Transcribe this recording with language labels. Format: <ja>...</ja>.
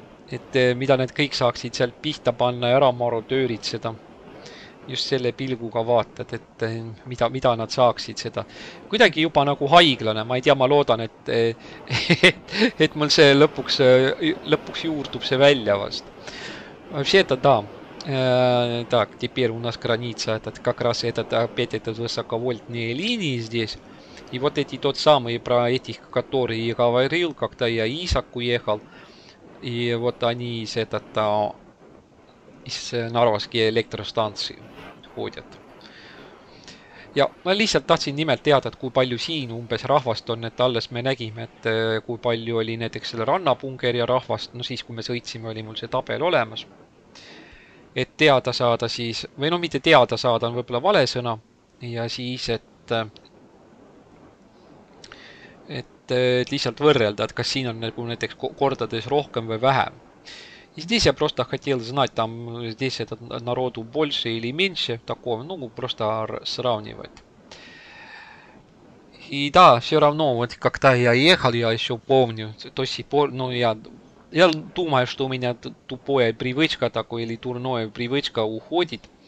<et>Et mida need kõik saaksid seal pihta panna ja ära marodööritseda. Just selle pilguga vaatad, et mida nad saaksid seda. Kuidagi juba nagu haiglane, ma ei tea, ma loodan, et mul see lõpuks juurdub see välja vast.</et> <ru>Вообще это да. Так, теперь у нас граница, этот как раз этот опять этот высоковольтные линии здесь. И вот эти тот самый про этих, которые я говорил, когда я Исаку уехал. И вот они из этот из Нарвской электростанции.</ru> <et>Ja ma lihtsalt tahtsin nimelt teada, et kui palju siin umbes rahvast on, et alles me nägime, et kui palju oli näiteks selle rannapungerja rahvast, no siis kui me sõitsime, oli mul see tabel olemas. Et teada saada siis, või no mitte teada saada, on võibolla vale sõna. Ja siis, et lihtsalt võrrelda, et kas siin on näiteks kordades rohkem või vähem.</et> <ru>И здесь я просто хотел знать, там здесь этот народу больше или меньше, такого, ну, просто сравнивать. И да, все равно, вот когда я ехал, я еще помню, до сих пор, ну, я думаю, что у меня тупая привычка такой, или дурная привычка уходит,</ru>